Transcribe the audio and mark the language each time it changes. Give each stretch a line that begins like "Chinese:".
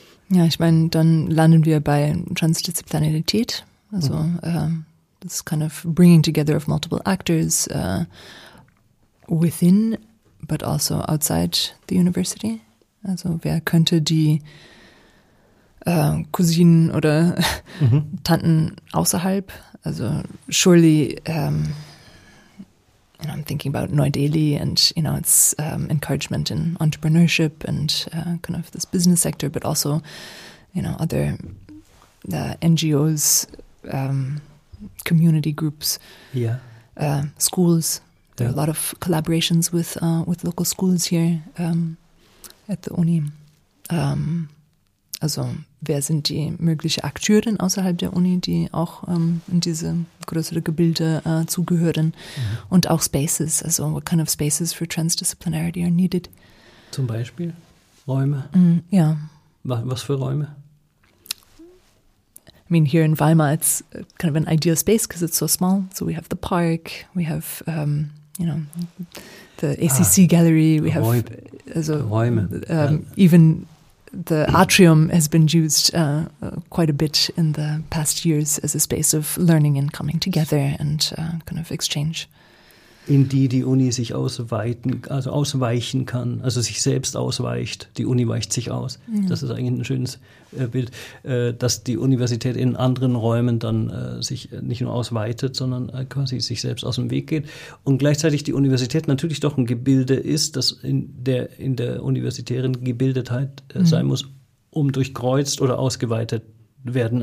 German: Ja, ich meine, dann landen wir bei Transdisziplinarität, also
English: this kind of bringing together of multiple actors within, but also outside the university.
German: Also wer könnte die Cousinen oder Tanten außerhalb.
English: Also surely, you know, I'm thinking about New Delhi and, you know, its encouragement in entrepreneurship and kind of this business sector, but also, you know, other NGOs, community groups, schools. There are a lot of collaborations with local schools here at the Uni.
German: Also wer sind die möglichen Akteure außerhalb der Uni, die auch in diese größere Gebilde zugehören?
English: Mhm.
German: Und auch Spaces, also
English: what kind of spaces for transdisciplinarity are needed?
German: Zum Beispiel Räume? Ja. Was für Räume?
English: I mean, here in Weimar, it's kind of an ideal space because it's so small. So we have the park, we have, you know, the ACC Gallery. We have
German: Räume.
English: Even the atrium has been used quite a bit in the past years as a space of learning and coming together and kind of exchange.
German: In die Uni sich ausweiten, also ausweichen kann, also sich selbst ausweicht, die Uni weicht sich aus. Ja. Das ist eigentlich ein schönes Bild, dass die Universität in anderen Räumen dann sich nicht nur ausweitet, sondern quasi sich selbst aus dem Weg geht. Und gleichzeitig die Universität natürlich doch ein Gebilde ist, das in der universitären Gebildetheit sein muss, um durchkreuzt oder ausgeweitet werden.